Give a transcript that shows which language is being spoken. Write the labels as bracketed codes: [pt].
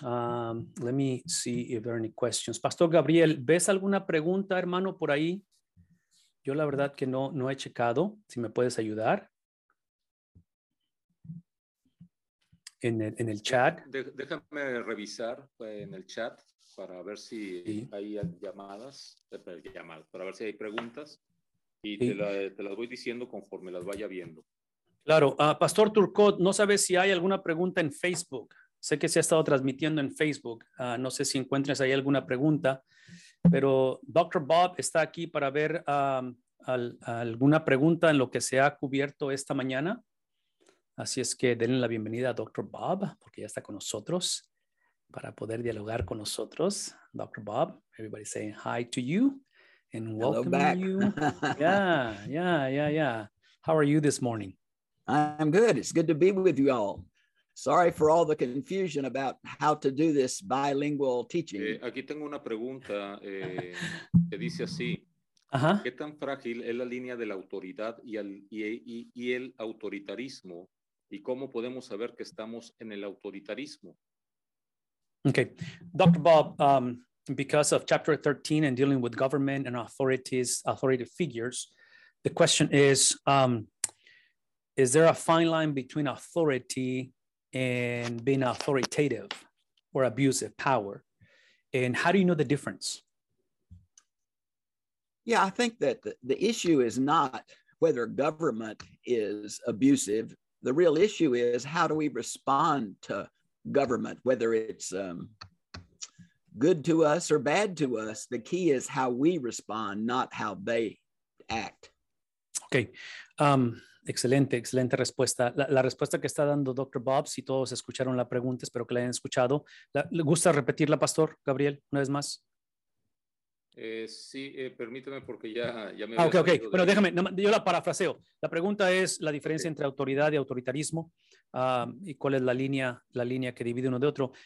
[en] Let me see if there are any questions. [es] Pastor Gabriel, ¿ves alguna pregunta, hermano, por ahí? Yo la verdad que no he checado. Si me puedes ayudar. En el chat. Déjame revisar en el chat para ver si sí. Hay llamadas. Para ver si hay preguntas. Y sí. te las voy diciendo conforme las vaya viendo. Claro. Pastor Turcot, no sabes si hay alguna pregunta en Facebook. Sé que se ha estado transmitiendo en Facebook. No sé si encuentres ahí alguna pregunta. Pero Dr. Bob está aquí para ver alguna pregunta en lo que se ha cubierto esta mañana. Así es que denle la bienvenida a Dr. Bob, porque ya está con nosotros, para poder dialogar con nosotros. Dr. [en] Bob, everybody saying hi to you and welcoming you. Yeah. How are you this morning? I'm good. It's good to be with you all. Sorry for all the confusion about how to do this bilingual teaching. [es] Aquí tengo una pregunta que dice así. ¿Qué tan frágil es la línea de la autoridad y el autoritarismo? ¿Y cómo podemos saber que estamos en el autoritarismo? [en] Okay. Dr. Bob, because of chapter 13 and dealing with government and authorities, authority figures, the question is there a fine line between authority and being authoritative or abusive power? And how do you know the difference? Yeah, I think that the issue is not whether government is abusive. The real issue is how do we respond to government, whether it's good to us or bad to us. The key is how we respond, not how they act. [es] Okay. Excelente respuesta. La respuesta que está dando Dr. Bob, si todos escucharon la pregunta, espero que la hayan escuchado. ¿Le gusta repetirla, Pastor Gabriel, una vez más? Sí, permíteme porque ya me... Ok. Bueno, déjame, yo la parafraseo. La pregunta es la diferencia entre autoridad y autoritarismo y cuál es la línea que divide uno de otro.